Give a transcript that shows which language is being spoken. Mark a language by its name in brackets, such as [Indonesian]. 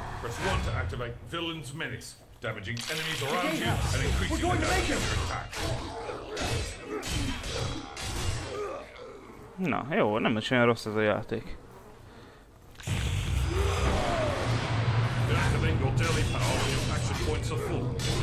[English] Press 1 to activate Villain's Menace, damaging enemies around you and increasing the damage of your attack. [Hungarian] Na, jó, nem is olyan rossz ez a játék. [English] Activate your daily power when your action points are full.